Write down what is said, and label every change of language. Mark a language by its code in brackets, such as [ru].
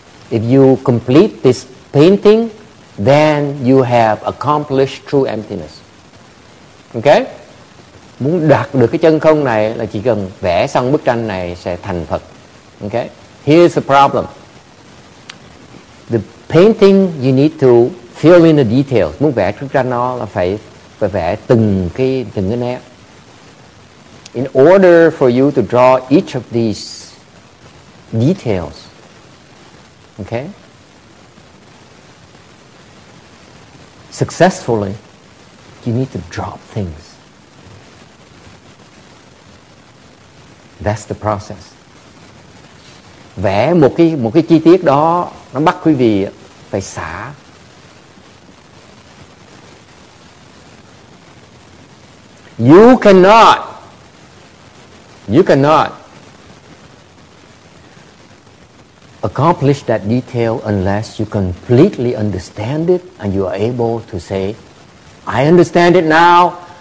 [en] If you complete this painting, then you have accomplished true emptiness. Okay? [vi] Muốn đạt được cái chân không này là chỉ cần vẽ xong bức tranh này sẽ thành Phật. [en] Okay? Here's the problem. The painting, you need to fill in the details. [vi] Muốn vẽ bức tranh đó là phải vẽ từng cái nét. [en] in order for you to draw each of these details, okay, successfully, you need to drop things. That's the process. [vi] Vẽ một cái chi tiết đó nó bắt quý vị phải xả. [en] You cannot accomplish that detail unless you completely understand it and you are able to say, I understand it now.